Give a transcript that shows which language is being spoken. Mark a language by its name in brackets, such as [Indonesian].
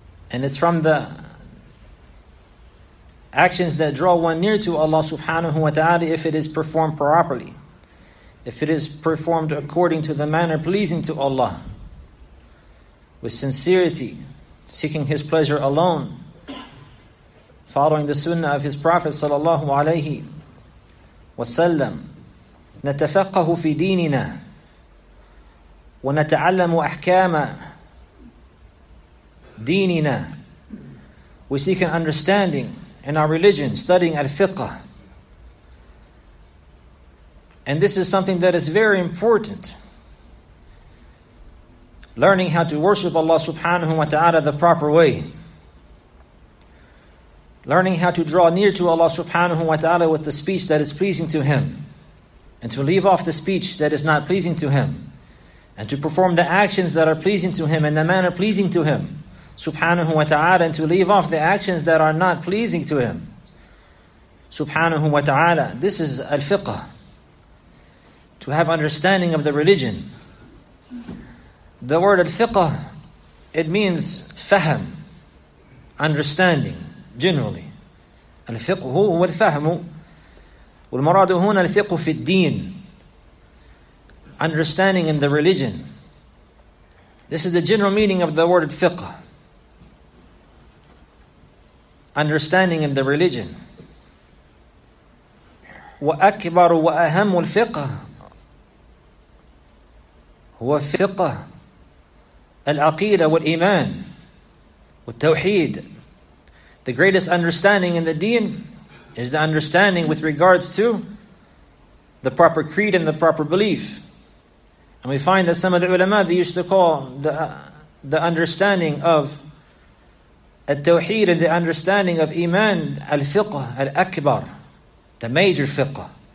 [English] And it's from the actions that draw one near to Allah subhanahu wa ta'ala if it is performed properly, if it is performed according to the manner pleasing to Allah, with sincerity, seeking His pleasure alone, following the sunnah of His Prophet sallallahu alayhi wasallam. [Arabic] نتفقه في ديننا ونتعلم أحكام ديننا. [English] We seek an understanding in our religion, studying al-fiqh. And this is something that is very important. Learning how to worship Allah subhanahu wa ta'ala the proper way. Learning how to draw near to Allah subhanahu wa ta'ala with the speech that is pleasing to Him. And to leave off the speech that is not pleasing to Him. And to perform the actions that are pleasing to Him in the manner pleasing to Him subhanahu wa ta'ala. And to leave off the actions that are not pleasing to Him subhanahu wa ta'ala. This is al-fiqh. To have understanding of the religion. The word al-fiqh, it means fahm, understanding, generally. [Arabic] Al-fiqh huwa al-fahm. والمراد هنا الفقه في الدين, [English] understanding in the religion. This is the general meaning of the word fiqh, understanding in the religion. [Arabic] وأكبر وأهم الفقه هو فقه العقيدة والإيمان والتوحيد. [English] The greatest understanding in the deen is the understanding with regards to the proper creed and the proper belief. And we find that some of the ulama, they used to call the understanding of al-tawheed and the understanding of iman al-fiqh al-akbar, the major fiqh.